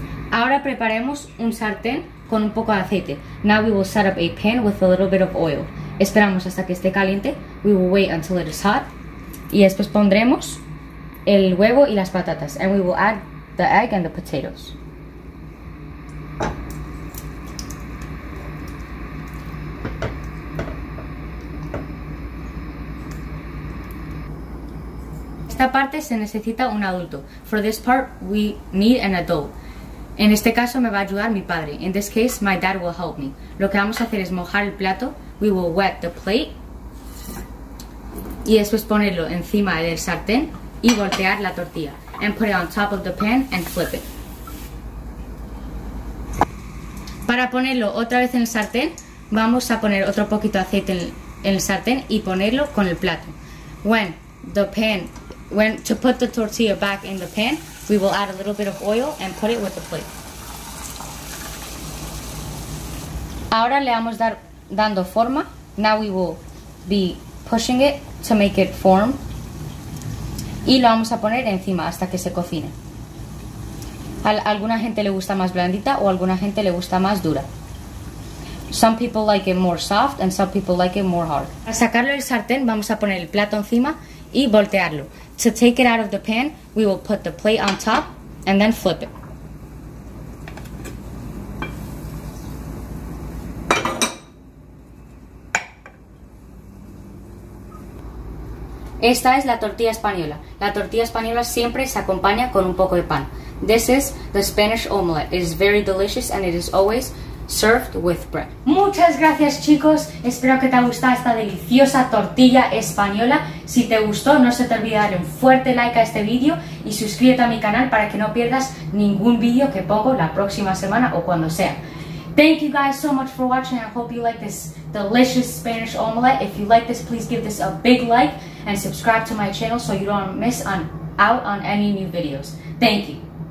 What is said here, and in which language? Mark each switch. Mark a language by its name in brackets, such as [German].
[Spanish] Ahora preparemos un sartén con un poco de aceite. [English] Now we will set up a pan with a little bit of oil. [Spanish] Esperamos hasta que esté caliente. [English] We will wait until it is hot. [Spanish] Y después pondremos el huevo y las patatas. [English] And we will add the egg and the potatoes. [Spanish] Esta parte se necesita un adulto. [English] For this part, we need an adult. [Spanish] En este caso me va a ayudar mi padre. [English] In this case, my dad will help me. [Spanish] Lo que vamos a hacer es mojar el plato. [English] We will wet the plate. [Spanish] Y después ponerlo encima del sartén y voltear la tortilla. [English] And put it on top of the pan and flip it. [Spanish] Para ponerlo otra vez en el sartén, vamos a poner otro poquito de aceite en el sartén y ponerlo con el plato. [English] When to put the tortilla back in the pan, we will add a little bit of oil and put it with the plate. [Spanish] Ahora le vamos dando forma. [English] Now we will be pushing it to make it form. [Spanish] Y lo vamos a poner encima hasta que se cocine. A alguna gente le gusta más blandita o a alguna gente le gusta más dura. [English] Some people like it more soft and some people like it more hard. [Spanish] Al sacarlo del sartén vamos a poner el plato encima y voltearlo. [English] To take it out of the pan, we will put the plate on top and then flip it. [Spanish] Esta es la tortilla española. La tortilla española siempre se acompaña con un poco de pan. [English] This is the Spanish omelette. It is very delicious and it is always served with bread. [Spanish] Muchas gracias, chicos. Espero que te haya gustado esta deliciosa tortilla española. Si te gustó, no se te olvide dar un fuerte like a este vídeo y suscríbete a mi canal para que no pierdas ningún vídeo que pongo la próxima semana o cuando sea. [English] Thank you guys so much for watching. I hope you like this delicious Spanish omelette. If you like this, please give this a big like and subscribe to my channel so you don't miss out on any new videos. Thank you.